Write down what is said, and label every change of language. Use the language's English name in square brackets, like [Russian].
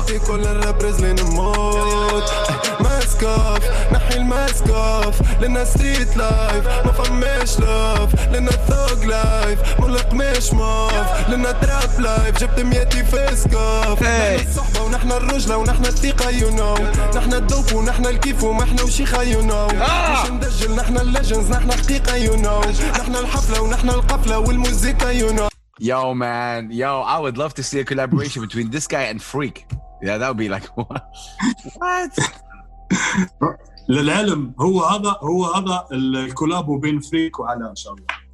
[Arabic] في كل الرابرز لين الموت ماسك أوف نحي الماسك أوف لنا ستريت لايف ما فماش لوف لنا ثوغ لايف ملق مش موف لنا تراب لايف جبت مياتي في سكوف نحن الصحبة ونحن الرجلة ونحن الثقة [English] you know [Arabic] نحن الدوف ونحن الكيف ومحنا وشيخة you know مش ندجل نحن الليجنز نحن حقيقة you know نحن الحفلة ونحن القفلة والموزيكا you know [English] Yo man, yo, I would love to see a collaboration between this guy and Freak. Yeah, that would be like what? [Arabic] للعلم هو هذا الكولاب بين فريك وعلاء ان شاء الله.